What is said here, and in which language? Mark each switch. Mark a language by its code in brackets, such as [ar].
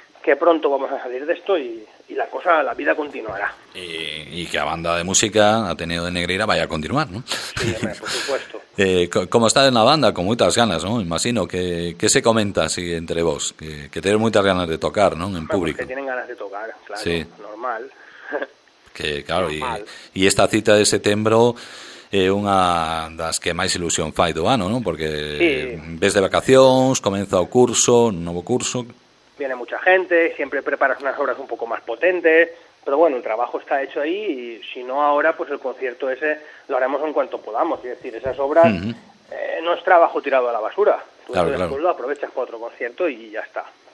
[es] que pronto vamos a salir de esto y la cosa, la vida continuará. Y que la banda de música ha tenido de Negreira vaya a continuar, ¿no? Sí, por supuesto. ¿Cómo está en la banda? Con muchas ganas, ¿no? Imagino que, ¿qué se comenta así entre vos? Que tenéis muchas ganas de tocar, ¿no? En bueno, público. Que tienen ganas de tocar, claro, sí. Normal. Que claro, normal. [gl] Y esta cita de setembro é unha das que máis ilusión fai do ano, non? Porque sí. Ves de vacacións, comeza o curso, novo curso. [es] Viene mucha gente, siempre preparas unas obras un poco más potentes, pero bueno, el trabajo está hecho ahí y si no ahora, pues el concierto ese lo haremos en cuanto podamos. Es decir, esas obras no es trabajo tirado a la basura. Tú claro, claro. Lo aprovechas para otro concierto y ya está.